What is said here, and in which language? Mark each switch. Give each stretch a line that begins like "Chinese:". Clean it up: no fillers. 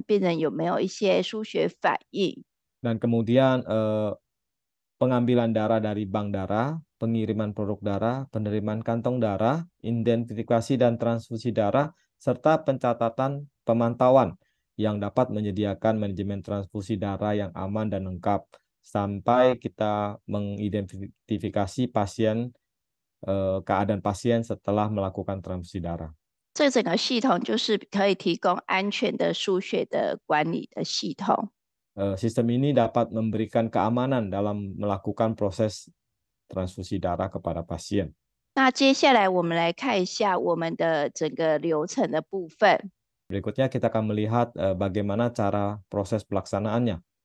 Chinese: 再来就是血品的传送，然后到护理站的接收的部分。那再输血到病人身上做病人辨识，最后要把它记录，监督看病人有没有一些输血反应。
Indonesian: Dan kemudian pengambilan darah dari bank darah, pengiriman produk darah, penerimaan kantong darah, identifikasi dan transfusi darah, serta pencatatan pemantauan yang dapat menyediakan manajemen transfusi darah yang aman dan lengkap sampai kita mengidentifikasi pasien, keadaan pasien setelah melakukan transfusi darah.
Chinese: 这整个系统就是可以提供安全的输血的管理的系统。
Indonesian: Sistem ini dapat memberikan keamanan dalam melakukan proses transfusi darah kepada pasien.
Chinese: 那接下来我们来看一下我们的整个流程的部分。
Indonesian: Berikutnya kita akan melihat bagaimana cara proses pelaksanaannya.